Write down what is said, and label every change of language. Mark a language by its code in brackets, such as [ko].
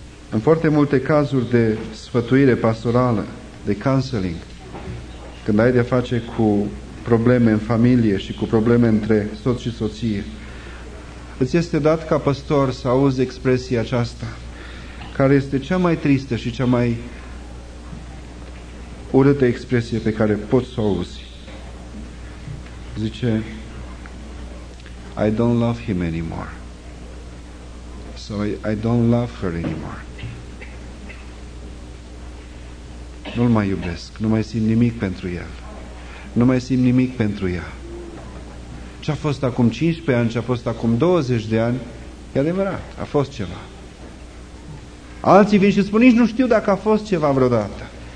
[ro] În foarte multe cazuri de sfătuire pastorală, de counseling, când ai de-a face cu probleme în familie și cu probleme între soț și soție, îți este dat ca păstor să auzi expresia aceasta, care este cea mai tristă și cea mai urâtă expresie pe care poți să o auzi. Zice, [en] I don't love him anymore. So I don't love her anymore. [ro] Nu-l mai iubesc, nu mai simt nimic pentru el. Nu mai simt nimic pentru ea. Ce a fost acum 15 ani, ce a fost acum 20 de ani, e adevărat, a fost ceva. Alții vin și spun, nici nu știu dacă a fost ceva vreodată.